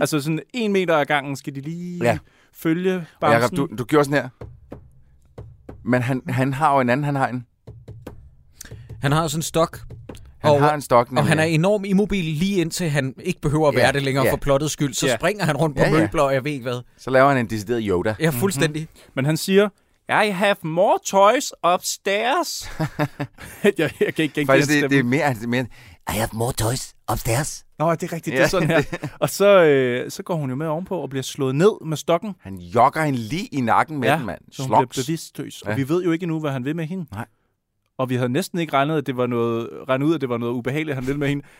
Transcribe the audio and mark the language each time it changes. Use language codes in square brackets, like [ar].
[da] Altså sådan en meter af gangen skal de lige følge bamsen. Jacob, du gjorde sådan her. Men han har jo en anden, han har en. Han har sådan en stok. Og han er enormt immobil lige indtil han ikke behøver at være det længere for plottet skyld. Så springer han rundt på møbler, og jeg ved ikke hvad. Så laver han en decideret Yoda. Ja, fuldstændig. Mm-hmm. Men han siger, [en] I have more toys upstairs. [da] jeg kan ikke gengælde stemmen. Faktisk, det er mere, [en] I have more toys upstairs. [da] Nå, det er rigtigt, det er sådan her. Og så, så går hun jo med ovenpå og bliver slået ned med stokken. Han jogger hende lige i nakken med den, mand. Så hun bliver bevidstløs. Ja. Og vi ved jo ikke nu, hvad han vil med hende. Nej. Og vi havde næsten ikke regnet, at det var noget, at det var noget ubehageligt, han ville med hende.